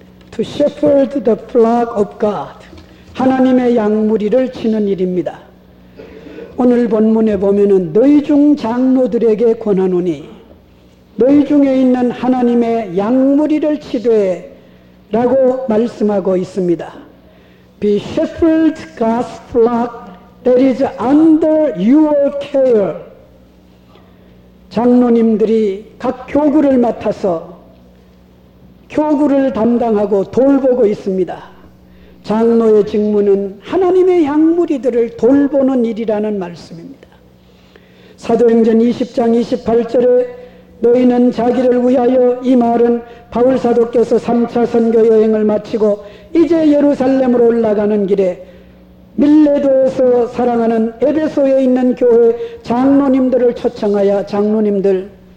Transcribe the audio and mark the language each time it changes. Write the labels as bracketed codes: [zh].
[en] To shepherd the flock of God. [ko] 하나님의 양무리를 치는 일입니다. 오늘 본문에 보면은 너희 중 장로들에게 권하노니 너희 중에 있는 하나님의 양무리를 치되 라고 말씀하고 있습니다. [en] Be shepherd God's flock that is under your care. [ko] 장로님들이 각 교구를 맡아서 교구를 담당하고 돌보고 있습니다. 장로의 직무는 하나님의 양무리들을 돌보는 일이라는 말씀입니다. 사도행전 20장 28절에 너희는 자기를 위하여 이 말은 바울사도께서 3차 선교여행을 마치고 이제 예루살렘으로 올라가는 길에 밀레도에서 사랑하는 에베소에 있는 교회 장로님들을 초청하여 장로님들